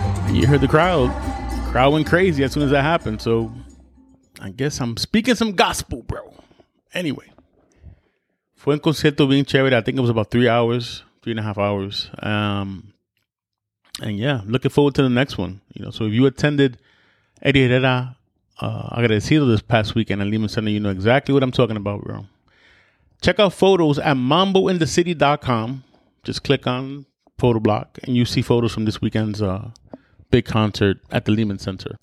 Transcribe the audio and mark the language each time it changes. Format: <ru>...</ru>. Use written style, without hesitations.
<en>You heard the crowd. The crowd went crazy as soon as that happened. So I guess I'm speaking some gospel, bro.</en> <es>Anyway, fue un concierto bien chévere.</es> <en>I think it was about 3 hours, 3.5 hours. And yeah, looking forward to the next one. You know, so if you attended Eddie Herrera Agradecido this past weekend at Lehman Center, you know exactly what I'm talking about, bro. Check out photos at mambointhecity.com. Just click on photo block and you see photos from this weekend's big concert at the Lehman Center.</en>